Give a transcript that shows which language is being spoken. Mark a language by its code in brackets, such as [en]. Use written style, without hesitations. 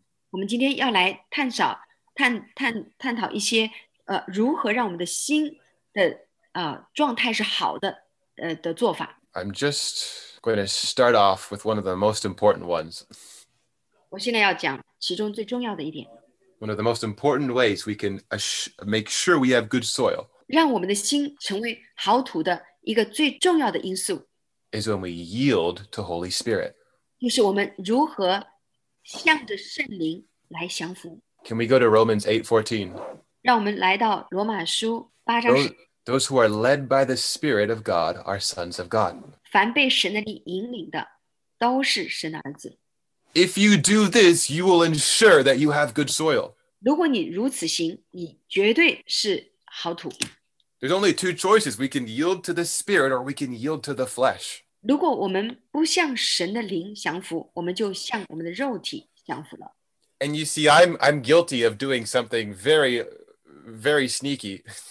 [zh] 我们今天要来探讨一些如何让我们的心的状态是好的的做法。 [en] I'm just going to start off with one of the most important ones. [zh] 我现在要讲其中最重要的一点。 [en] One of the most important ways we can make sure we have good soil. [zh] 让我们的心成为好土的一个最重要的因素。 [en] Is when we yield to Holy Spirit. [zh] 就是我们如何向着圣灵来降服。 [en] Can we go to Romans 8:14? [zh] 让我们来到罗马书八章。 [en] Those who are led by the Spirit of God are sons of God. [zh] 凡被神的灵引领的，都是神的儿子。 [en] If you do this, you will ensure that you have good soil. [zh] 如果你如此行，你绝对是好土。 [en] There's only two choices: we can yield to the Spirit, or we can yield to the flesh. [zh] 如果我们不向神的灵降服，我们就向我们的肉体降服了。 [en] And you see, I'm guilty of doing something very, very sneaky.